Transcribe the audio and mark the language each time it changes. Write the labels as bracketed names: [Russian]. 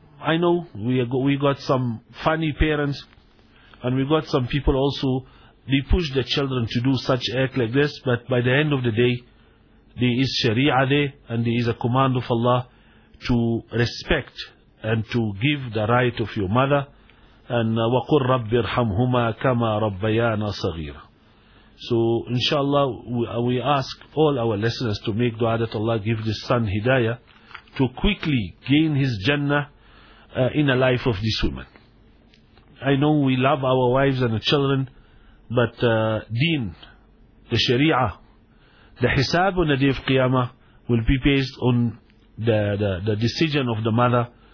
[English] I know we got some funny parents, and we got some people also, they push the children to do such act like this, but by the end of the day, there is Sharia there, and there is a command of Allah to respect and to give the right of your mother. [Arabic] And وَقُلْ رَبِّ ارْحَمْهُمَا كَمَا رَبَّيَانَا صَغِيرًا. [English] So, inshallah, we ask all our listeners to make dua that Allah give this son hidayah to quickly gain his Jannah in the life of this woman. I know we love our wives and the children, but deen, the sharia, the hisab on the day of qiyamah will be based on the decision of the mother